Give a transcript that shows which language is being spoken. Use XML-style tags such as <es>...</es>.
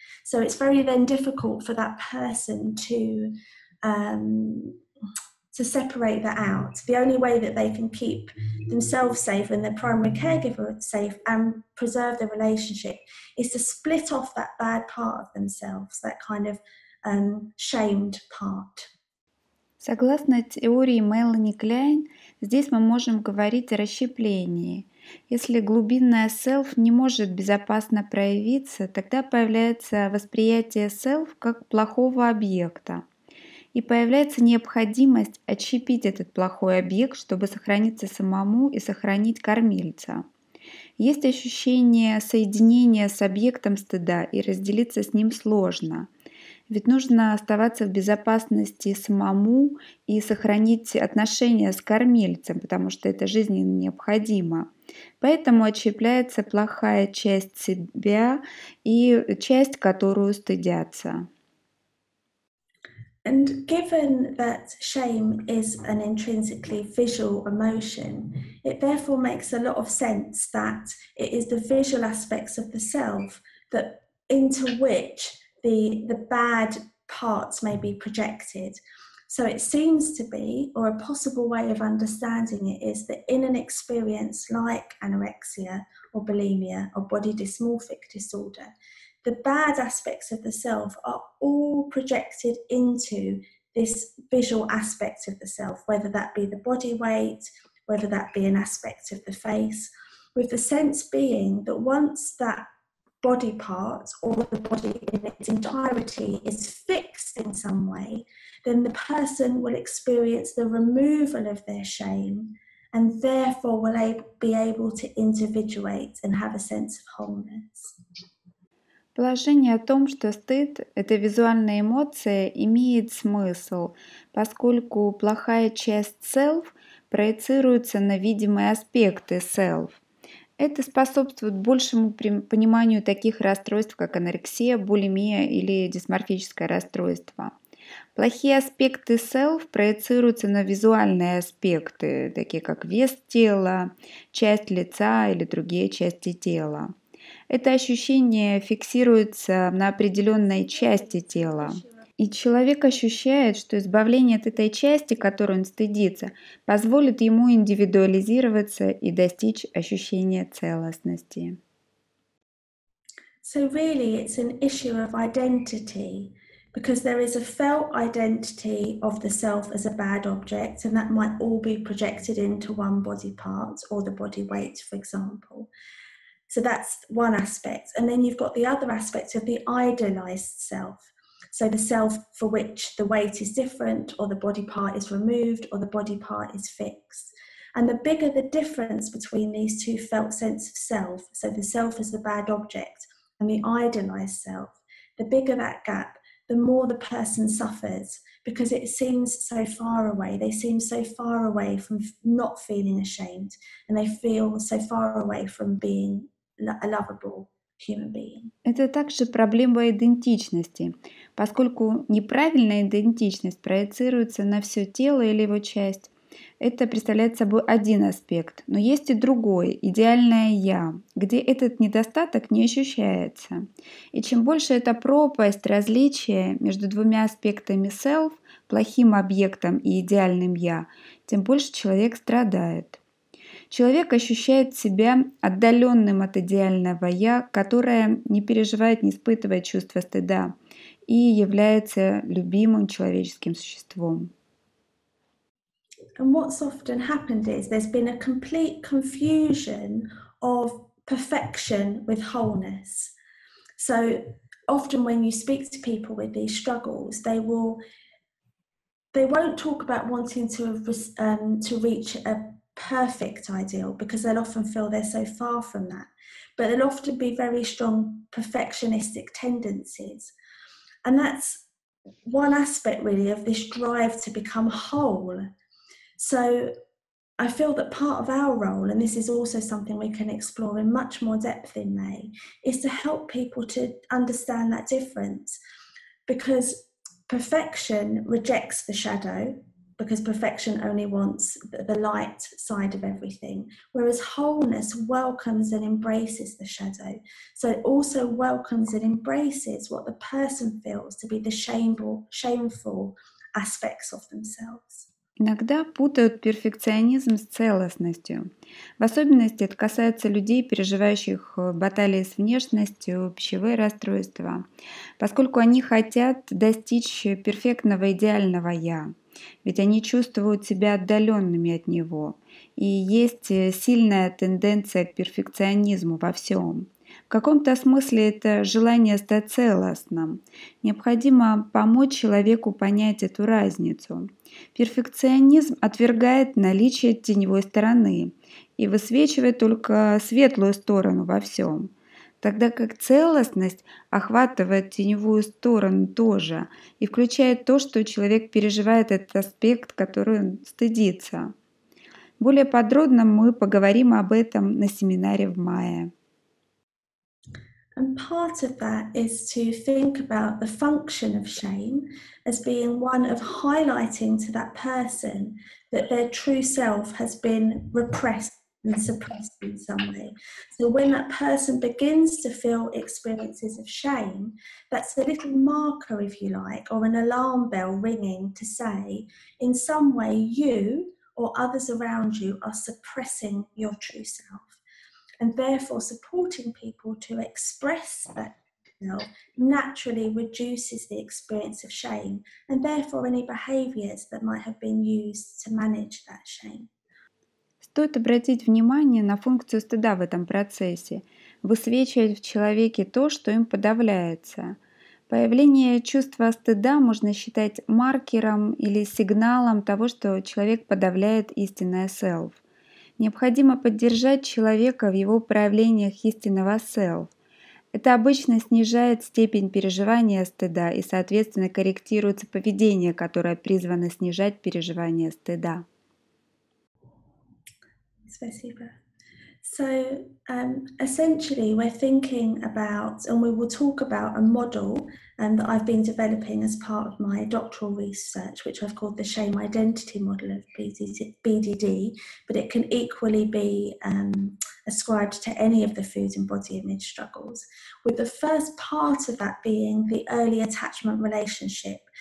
<en>So it's very then difficult for that person to separate that out. The only way that they can keep themselves safe and their primary caregiver safe and preserve the relationship is to split off that bad part of themselves, that kind of shamed part.</en> <ru>Согласно теории Мелани Кляйн, здесь мы можем говорить о расщеплении. Если глубинное self не может безопасно проявиться, тогда появляется восприятие self как плохого объекта. И появляется необходимость отщепить этот плохой объект, чтобы сохраниться самому и сохранить кормильца. Есть ощущение соединения с объектом стыда, и разделиться с ним сложно. Ведь нужно оставаться в безопасности самому и сохранить отношения с кормильцем, потому что это жизненно необходимо. Поэтому отщепляется плохая часть себя и часть, которую стыдятся.</ru> <en>And given that shame is an intrinsically visual emotion, it therefore makes a lot of sense that it is the visual aspects of the self that into which the bad parts may be projected. So it seems to be, or a possible way of understanding it, is that in an experience like anorexia or bulimia or body dysmorphic disorder, the bad aspects of the self are all projected into this visual aspect of the self, whether that be the body weight, whether that be an aspect of the face, with the sense being that once that body part or the body in its entirety is fixed in some way, then the person will experience the removal of their shame and therefore will be able to individuate and have a sense of wholeness.</en> <ru>Положение о том, что стыд – это визуальная эмоция, имеет смысл, поскольку плохая часть self проецируется на видимые аспекты self. Это способствует большему пониманию таких расстройств, как анорексия, булимия или дисморфическое расстройство. Плохие аспекты self проецируются на визуальные аспекты, такие как вес тела, часть лица или другие части тела. Это ощущение фиксируется на определенной части тела. И человек ощущает, что избавление от этой части, которой он стыдится, позволит ему индивидуализироваться и достичь ощущения целостности.</ru> <en>So really, it's an issue of identity, because there is a felt identity of the self as a bad object, and that might all be projected into one body part or the body weight, for example. So that's one aspect. And then you've got the other aspect of the idealized self. So the self for which the weight is different, or the body part is removed, or the body part is fixed. And the bigger the difference between these two felt sense of self, so the self as the bad object and the idealized self, the bigger that gap, the more the person suffers, because it seems so far away. They seem so far away from not feeling ashamed, and they feel so far away from being a lovable human being.</en> <ru>Это также проблема идентичности, поскольку неправильная идентичность проецируется на все тело или его часть. Это представляет собой один аспект, но есть и другой, идеальное «я», где этот недостаток не ощущается. И чем больше эта пропасть, различие между двумя аспектами self, плохим объектом и идеальным «я», тем больше человек страдает. Человек ощущает себя отдаленным от идеального «я», которое не переживает, не испытывает чувства стыда и является любимым человеческим существом.</ru> <en>And what's often happened is there's been a complete confusion of perfection with wholeness. So often when you speak to people with these struggles, they won't talk about wanting to reach a perfect ideal, because they'll often feel they're so far from that. But there'll often be very strong perfectionistic tendencies. And that's one aspect really of this drive to become whole. So I feel that part of our role, and this is also something we can explore in much more depth in May, is to help people to understand that difference. Because perfection rejects the shadow, because perfection only wants the light side of everything, whereas wholeness welcomes and embraces the shadow. So it also welcomes and embraces what the person feels to be the shameful aspects of themselves.</en> <ru>Иногда путают перфекционизм с целостностью. В особенности это касается людей, переживающих баталии с внешностью, пищевые расстройства, поскольку они хотят достичь перфектного идеального «я», ведь они чувствуют себя отдаленными от него, и есть сильная тенденция к перфекционизму во всем. В каком-то смысле это желание стать целостным. Необходимо помочь человеку понять эту разницу. Перфекционизм отвергает наличие теневой стороны и высвечивает только светлую сторону во всем, тогда как целостность охватывает теневую сторону тоже и включает то, что человек переживает этот аспект, который он стыдится. Более подробно мы поговорим об этом на семинаре в мае. And part of that is to think about the function of shame as being one of highlighting to that person that their true self has been repressed and suppressed in some way. So when that person begins to feel experiences of shame, that's a little marker, if you like, or an alarm bell ringing to say, in some way, you or others around you are suppressing your true self. And therefore supporting people to express that self naturally reduces the experience of shame, and therefore any behaviors that might have been used to manage that shame. Стоит обратить внимание на функцию стыда в этом процессе, высвечивать в человеке то, что им подавляется. Появление чувства стыда можно считать маркером или сигналом того, что человек подавляет истинное self. Необходимо поддержать человека в его проявлениях истинного self. Это обычно снижает степень переживания стыда и, соответственно, корректируется поведение, которое призвано снижать переживание стыда. Спасибо.</ru> <en>So, essentially, we're thinking about, and we will talk about, a model that I've been developing as part of my doctoral research, which I've called the Shame Identity Model of BDD, but it can equally be ascribed to any of the food and body image struggles, with the first part of that being the early attachment relationship.</en>